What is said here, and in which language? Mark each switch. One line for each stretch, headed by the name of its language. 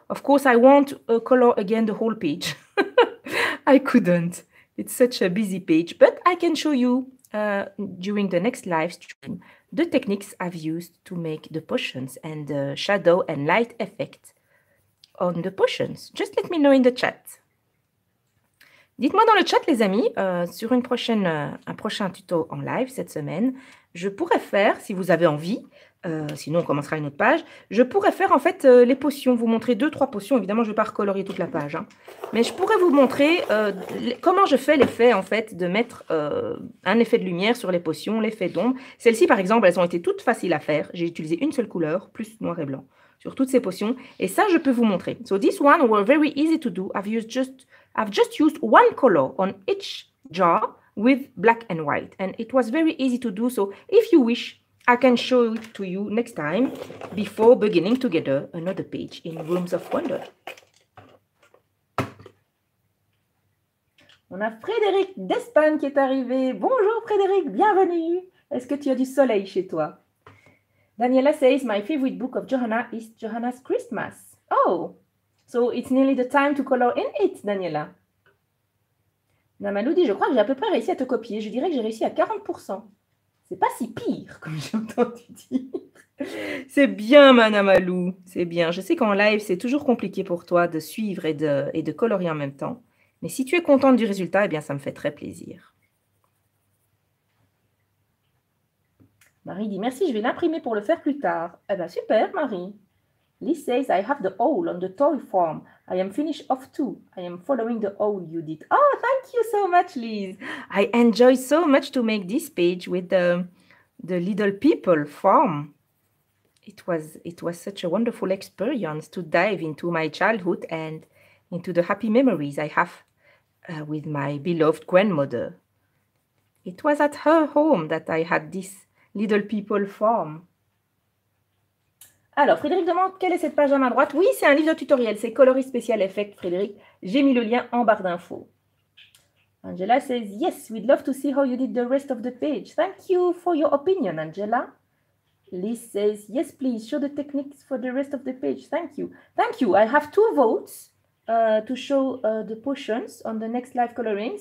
English: Of course, I won't color again the whole page. I couldn't. It's such a busy page, but I can show you during the next live stream the techniques I've used to make the potions and the shadow and light effect on the potions. Just let me know in the chat.
French: Dites-moi dans le chat, les amis, sur une prochaine, un prochain tuto en live cette semaine, je pourrais faire, si vous avez envie, sinon on commencera une autre page, je pourrais faire en fait les potions, vous montrer 2-3 potions. Évidemment, je ne vais pas recolorier toute la page, hein, mais je pourrais vous montrer comment je fais l'effet en fait de mettre un effet de lumière sur les potions, l'effet d'ombre. Celles-ci, par exemple, elles ont été toutes faciles à faire. J'ai utilisé une seule couleur, plus noir et blanc, sur toutes ces potions. Et ça, je peux vous montrer.
English: So, these ones were very easy to do. I've just used one color on each jar with black and white. And it was very easy to do. So if you wish, I can show it to you next time before beginning together another page in Rooms of Wonder.
French: On a Frédéric d'Espagne qui est arrivé. Bonjour Frédéric, bienvenue. Est-ce que tu as du soleil chez toi?
English: Daniela says, my favorite book of Johanna is Johanna's Christmas. Oh, so it's nearly the time to color in it, Daniela.
French: Namalou dit, je crois que j'ai à peu près réussi à te copier. Je dirais que j'ai réussi à 40%. C'est pas si pire, comme j'ai entendu dire. C'est bien, ma Namalou. C'est bien. Je sais qu'en live, c'est toujours compliqué pour toi de suivre et de colorier en même temps. Mais si tu es contente du résultat, eh bien, ça me fait très plaisir. Marie dit, merci, je vais l'imprimer pour le faire plus tard. Eh bien, super, Marie.
English: Lise says, I have the owl on the toy form. I am finished off too. I am following the owl you did. Oh, thank you so much, Lise. I enjoy so much to make this page with the little people form. It was such a wonderful experience to dive into my childhood and into the happy memories I have with my beloved grandmother. It was at her home that I had this little people form.
French: Alors, Frédéric demande, quelle est cette page à ma droite? Oui, c'est un livre de tutoriel, c'est Coloris Spécial Effect, Frédéric. J'ai mis le lien en barre d'infos.
English: Angela says, yes, we'd love to see how you did the rest of the page. Thank you for your opinion, Angela. Liz says, yes, please, show the techniques for the rest of the page. Thank you. Thank you. I have 2 votes to show the potions on the next live coloring.